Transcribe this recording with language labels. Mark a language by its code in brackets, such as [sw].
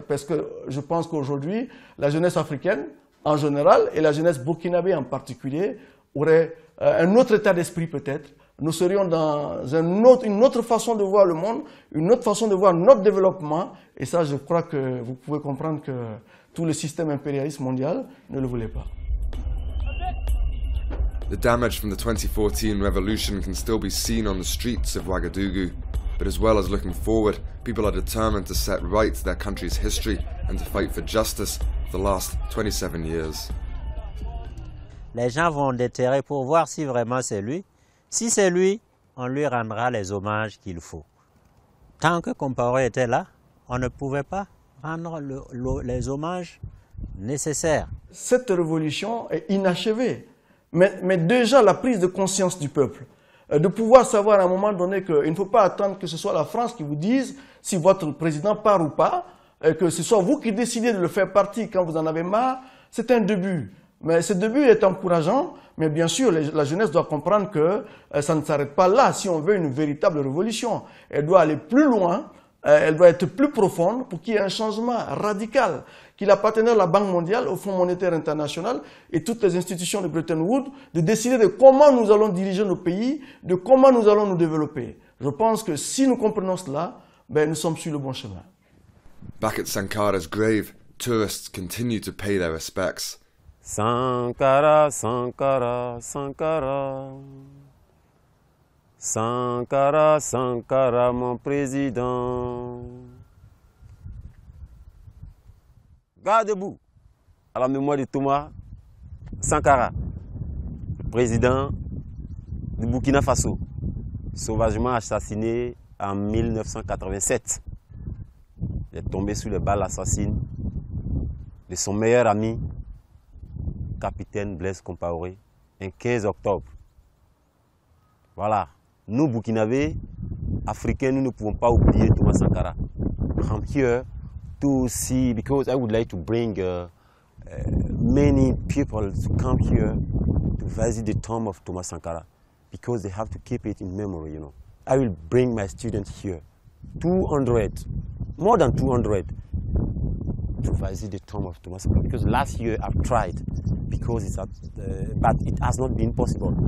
[fr] Parce que je pense qu'aujourd'hui, la jeunesse africaine, en général, et la jeunesse burkinabé en particulier, aurait un autre état d'esprit peut-être. Nous serions dans une autre façon de voir le monde, une autre façon de voir notre développement. Et ça, je crois que vous pouvez comprendre que tout le système impérialiste mondial ne le voulait pas. [en] The damage from the 2014 revolution can still be seen on the streets of Ouagadougou. But as well as looking forward, people are determined to set right their country's history and to fight for justice for the last 27 years. [fr] Les gens vont déterrer pour voir si vraiment c'est lui. Si c'est lui, on lui rendra les hommages qu'il faut. Tant que Compaoré était là, on ne pouvait pas rendre les hommages nécessaires. Cette révolution est inachevée. Mais déjà la prise de conscience du peuple, de pouvoir savoir à un moment donné qu'il ne faut pas attendre que ce soit la France qui vous dise si votre président part ou pas, et que ce soit vous qui décidez de le faire partir quand vous en avez marre, c'est un début. Mais ce début est encourageant, mais bien sûr, la jeunesse doit comprendre que ça ne s'arrête pas là si on veut une véritable révolution. Elle doit aller plus loin, elle doit être plus profonde pour qu'il y ait un changement radical qu'il appartenait à la Banque mondiale, au Fonds monétaire international et toutes les institutions de Bretton Woods de décider de comment nous allons diriger nos pays, de comment nous allons nous développer. Je pense que si nous comprenons cela, ben nous sommes sur le bon chemin. [en] Back at Sankara's grave, tourists continue to pay their respects. [fr] Sankara, Sankara, Sankara. Sankara, Sankara, mon président. Gardez-vous à la mémoire de Thomas Sankara, président du Burkina Faso, sauvagement assassiné en 1987. Il est tombé sous les balles assassines de son meilleur ami, capitaine Blaise Compaoré, un 15 octobre. Voilà. Nous, Burkinabés, Africains, nous ne pouvons pas oublier Thomas Sankara. [en] I'm here to see, because I would like to bring many people to come here to visit the tomb of Thomas Sankara, because they have to keep it in memory, you know. I will bring my students here, 200, more than 200, to visit the tomb of Thomas Sankara, because last year I've tried, because it's at, but it has not been possible.